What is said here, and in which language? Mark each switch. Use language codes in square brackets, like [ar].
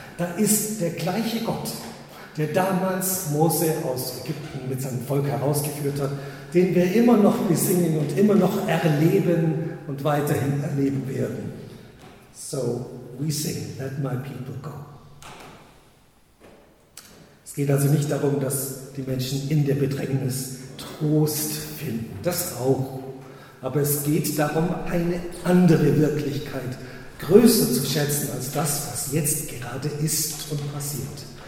[de] Da ist der gleiche Gott, der damals Mose aus Ägypten mit seinem Volk herausgeführt hat, den wir immer noch besingen und immer noch erleben und weiterhin erleben werden. [en] So we sing, let my people go. [de] Es geht also nicht darum, dass die Menschen in der Bedrängnis Trost finden. Das auch. Aber es geht darum, eine andere Wirklichkeit größer zu schätzen als das, was jetzt gerade ist und passiert.